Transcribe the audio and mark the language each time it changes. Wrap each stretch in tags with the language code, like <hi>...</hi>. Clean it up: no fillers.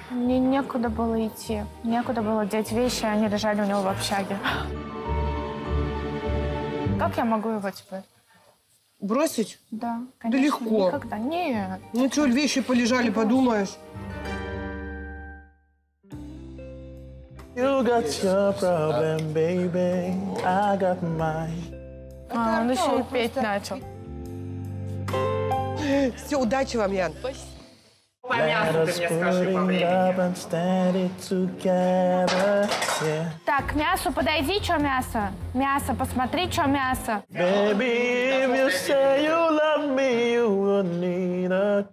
<ru>Мне некуда было идти. Некуда было деть вещи, они лежали у него в общаге. Как я могу его теперь? Бросить? Да, конечно. Да легко. Никогда. Нет. Ну что, вещи полежали, не подумаешь.</ru> <en>You got your problem, baby. I got mine.</en> <ru>А, он еще и петь начал. Все, удачи вам, Ян. Спасибо. По мясу ты мне скажи, поверь. Так, к мясу подойди, что мясо? Мясо, посмотри, что мясо.</ru> <en>Baby, if you say you love me, you would need a...</en>